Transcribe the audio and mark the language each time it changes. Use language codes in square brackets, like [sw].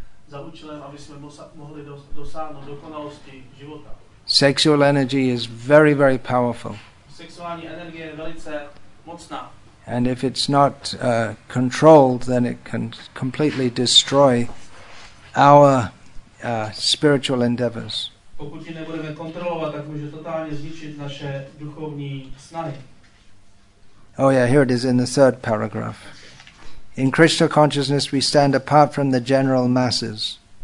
[cs] Za účelem, aby jsme mohli dosáhnout dokonalosti života. [en] Sexual energy is very, very powerful. [cs] Sexuální energie je velice mocná. [en] And if it's not controlled, then it can completely destroy our spiritual endeavors. [cs] Pokud ji nebudeme kontrolovat, tak může totálně zničit naše duchovní snahy. [en] Oh yeah, here it is in the third paragraph. In Krishna consciousness, we stand apart from the general masses.